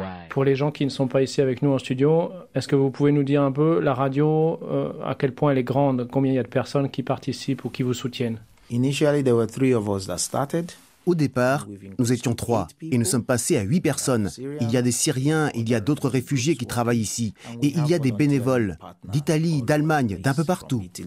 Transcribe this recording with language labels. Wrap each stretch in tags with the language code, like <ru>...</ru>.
<fr>Pour les gens qui ne sont pas ici avec nous en studio, est-ce que vous pouvez nous dire un peu la radio, à quel point elle est grande, combien il y a de personnes qui participent ou qui vous soutiennent?</fr> <en>Initially, there were three of us that started.</en> <fr>Au départ, nous étions trois et nous sommes passés à huit personnes. Il y a des Syriens, il y a d'autres réfugiés qui travaillent ici. Et il y a des bénévoles d'Italie, d'Allemagne, d'un peu partout.</fr>